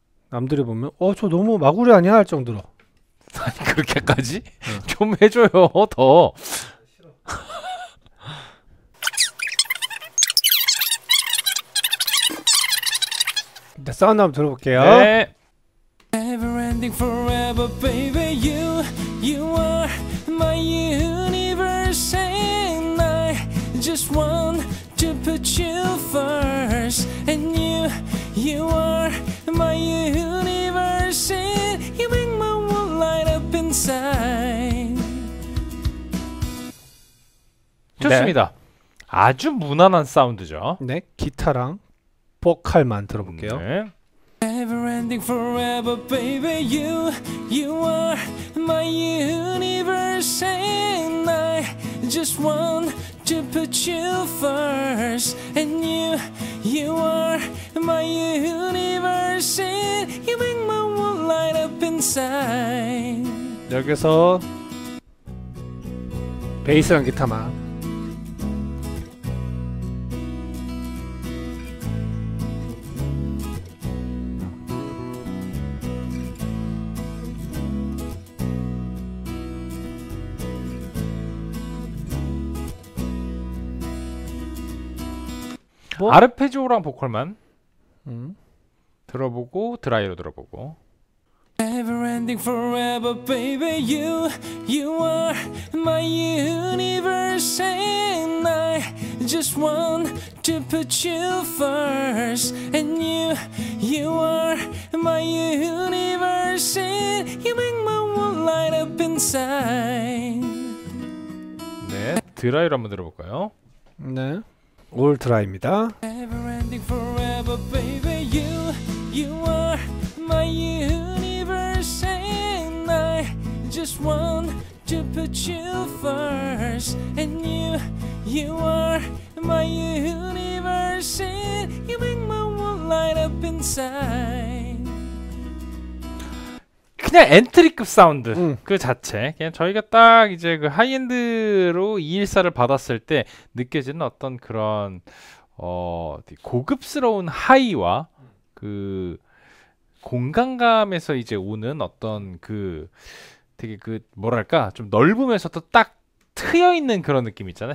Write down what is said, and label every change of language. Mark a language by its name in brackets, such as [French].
[Korean] 남들이 보면 저 너무 마구리 아니야 할 정도로. 아니 그렇게까지? 응. 좀 해줘요 더. 일단 사운드 한번 들어볼게요. 네. [English] Never ending forever, baby. You are my universe, and I just want to put you first. And you are my universe, and you make my world light up inside. [Korean] 좋습니다. 네. 아주 무난한 사운드죠. 네, 기타랑 보컬만 들어볼게요. 네. [English] Never ending forever, baby. You are my universe, and I just want to put you first. And you are my universe, and you make my world light up inside. [Korean] 여기서 베이스랑 기타만. 뭐? 아르페지오랑 보컬만 들어보고 드라이로 들어보고. [English] Never ending forever, baby. You are my universe, and I just want to put you first. And you are my universe, and you make my world light up inside. [Korean] 네, 드라이로 한번 들어볼까요? 네. 올 드라이입니다. [English] Never ending forever, baby. You are my universe, and I just want to put you first. And you are my universe, and you make my world light up inside. [Korean] 그냥 엔트리급 사운드. 그 자체. 그냥 저희가 딱 이제 그 하이엔드로 214를 받았을 때 느껴지는 어떤 그런 고급스러운 하이와 그 공간감에서 이제 오는 어떤 그 되게 그 뭐랄까 좀 넓으면서도 딱 트여 있는 그런 느낌 있잖아.